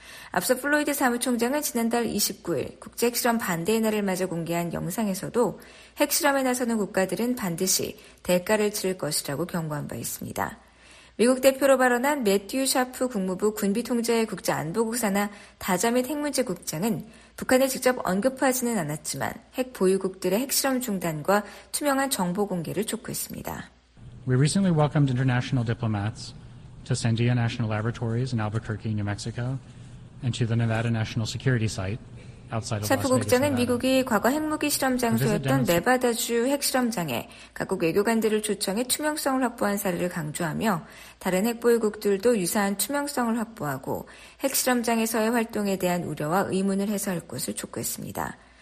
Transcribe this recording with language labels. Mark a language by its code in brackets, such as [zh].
[ko] 앞서 플로이드 사무총장은 지난달 29일 국제 핵실험 반대의 날을 맞아 공개한 영상에서도 핵실험에 나서는 국가들은 반드시 대가를 치를 것이라고 경고한 바 있습니다. 미국 대표로 발언한 매튜 샤프 국무부 군비통제 국제안보국 산하 다자 및 핵문제 국장은 북한을 직접 언급하지는 않았지만 핵 보유국들의 핵실험 중단과 투명한 정보 공개를 촉구했습니다. [en] We recently welcomed international diplomats to Sandia National Laboratories in Albuquerque, New Mexico and to the Nevada National Security Site. [ko] 샤프 국장은 미국이 과거 핵무기 실험장소였던 네바다주 핵실험장에 각국 외교관들을 초청해 투명성을 확보한 사례를 강조하며 다른 핵보유국들도 유사한 투명성을 확보하고 핵실험장에서의 활동에 대한 우려와 의문을 해소할 것을 촉구했습니다.